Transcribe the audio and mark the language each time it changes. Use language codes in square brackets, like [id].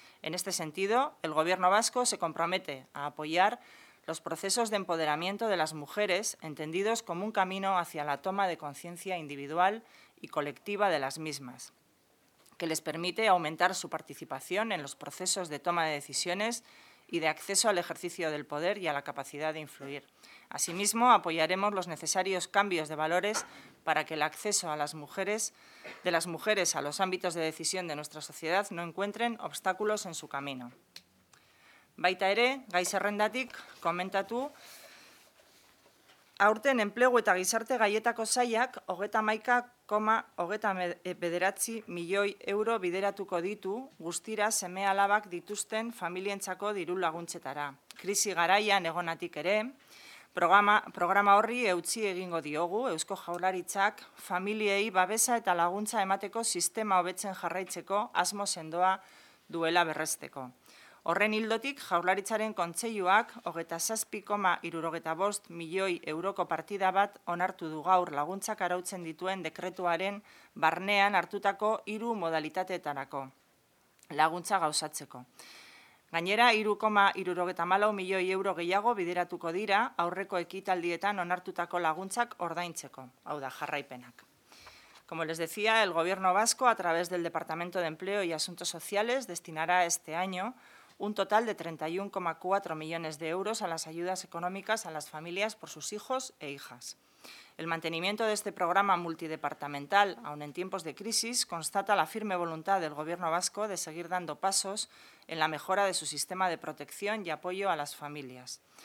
[es] En este sentido, el Gobierno vasco se compromete a apoyar los procesos de empoderamiento de las mujeres, entendidos como un camino hacia la toma de conciencia individual y colectiva de las mismas, que les permite aumentar su participación en los procesos de toma de decisiones y de acceso al ejercicio del poder y a la capacidad de influir. Asimismo, apoyaremos los necesarios cambios de valores para que el acceso a las mujeres, de las mujeres a los ámbitos de decisión de nuestra sociedad no encuentren obstáculos en su camino. [eu] Baita ere, gai zerrendatik, komentatu, aurten enplegu eta gizarte gaietako zailak 31,29 milioi euro bideratuko ditu guztira seme alabak dituzten familientzako diru laguntzetara. Krisi garaian egonatik ere, programa horri eutzi egingo diogu Eusko Jaurlaritzak familiei babesa eta laguntza emateko sistema hobetzen jarraitzeko asmo sendoa duela berresteko. Horren ildotik, Jaurlaritzaren kontseiluak 27,75 milioi euroko partida bat onartu du gaur laguntzak arautzen dituen dekretuaren barnean hartutako hiru modalitateetarako laguntza gauzatzeko. Gainera, 3,74 milioi euro gehiago bideratuko dira aurreko ekitaldietan onartutako laguntzak ordaintzeko, hau da jarraipenak. [es] Como les decía, el Gobierno vasco, a través del Departamento de Empleo y Asuntos Sociales, destinará este año un total de 31,4 millones de euros a las ayudas económicas a las familias por sus hijos e hijas. El mantenimiento de este programa multidepartamental, aun en tiempos de crisis, constata la firme voluntad del Gobierno vasco de seguir dando pasos en la mejora de su sistema de protección y apoyo a las familias.